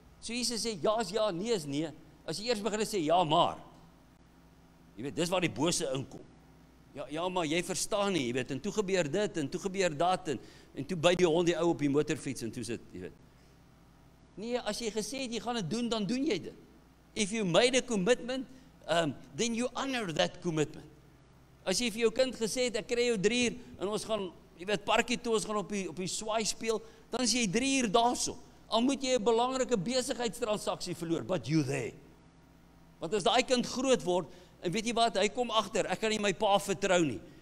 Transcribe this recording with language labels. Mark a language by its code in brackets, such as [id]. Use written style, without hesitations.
[af] So Jesus sê, ja is ja, nee is nee. As jy eers begin sê, ja maar, jy weet, dis waar die bose inkom. Ja maar, jy verstaan nie, jy weet, en toe gebeur dit, en toe gebeur dat, en toe by die hond die ou op die motorfiets, en toe sit, jy weet. Nee, as jy gesê het, jy gaan het doen, dan doen jy dit. [en] If you made a commitment, then you honor that commitment. [af] As jy vir jou kind gesê het, ek kry jou 3 uur, en ons gaan, jy weet, parkie toe, ons gaan op die swaai speel, dan is jy 3 uur daarso. Al moet jy 'n belangrike besigheidstransaksie verloor, [en] but you there. [af] Want as die kind groot word, en weet jy wat, hy kom agter, ek kan nie my pa vertrou nie.